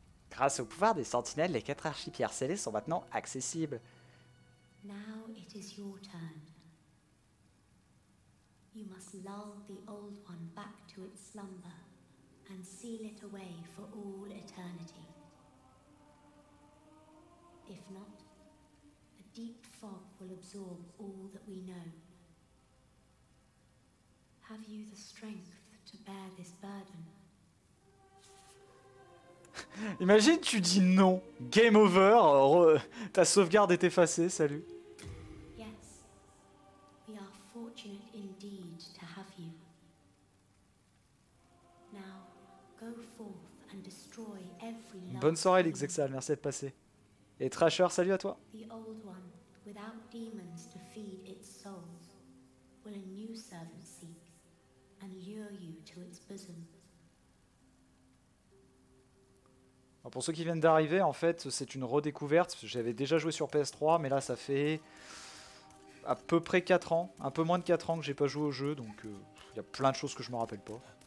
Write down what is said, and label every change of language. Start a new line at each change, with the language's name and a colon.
French: Grâce au pouvoir des sentinelles, les quatre archipierres scellés sont maintenant accessibles.
English: Now it is your turn. You must lull the Old One back to its slumber and seal it away for all eternity. If not, deep fog will absorb all that we know. Have you the strength to bear this burden?
French: Imagine, tu dis non. Game over. Ta sauvegarde est effacée. Salut.
English: Yes. We are fortunate indeed to have you. Now, go forth and destroy every love.
French: Bonne soirée, Lixexal. Merci d'être passé. Et Trasher, salut à toi.
English: The Old One. Without demons to feed its souls, will a new servant seek and lure you to its bosom.
French: Pour ceux qui viennent d'arriver, en fait, c'est une redécouverte. J'avais déjà joué sur PS3, mais là, ça fait à peu près 4 ans, un peu moins de 4 ans que j'ai pas joué au jeu, donc il y a plein de choses que je me rappelle pas.